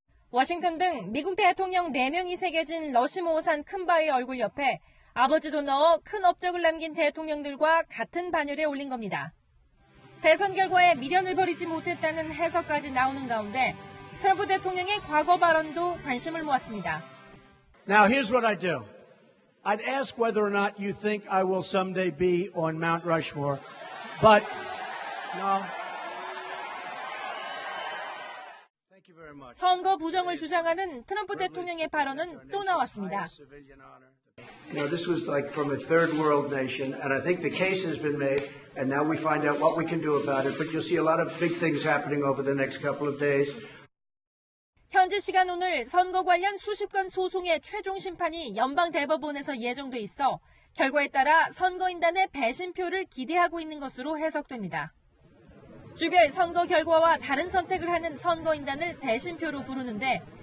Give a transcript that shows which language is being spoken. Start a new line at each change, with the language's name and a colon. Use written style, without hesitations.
Korean: 워싱턴 등 미국 대통령 4명이 새겨진 러시모어산 큰 바위 얼굴 옆에 아버지도 넣어 큰 업적을 남긴 대통령들과 같은 반열에 올린 겁니다. 대선 결과에 미련을 버리지 못했다는 해석까지 나오는 가운데 트럼프 대통령의 과거 발언도 관심을 모았습니다.
English: Now here's what I do. I'd ask whether or not you think I will someday be on Mount Rushmore. But no. Thank you very much.
Korean: 선거 부정을 주장하는 트럼프 대통령의 발언은 또 나왔습니다.
English: You know, this was like from a third world nation, and I think the case has been made, and now we find out what we can do about it. But you'll see a lot of big things happening over the next couple of days.
Korean: 현지 시간 오늘 선거 관련 수십 건 소송의 최종 심판이 연방 대법원에서 예정돼 있어 결과에 따라 선거인단의 배신표를 기대하고 있는 것으로 해석됩니다. 주별 선거 결과와 다른 선택을 하는 선거인단을 배신표로 부르는데.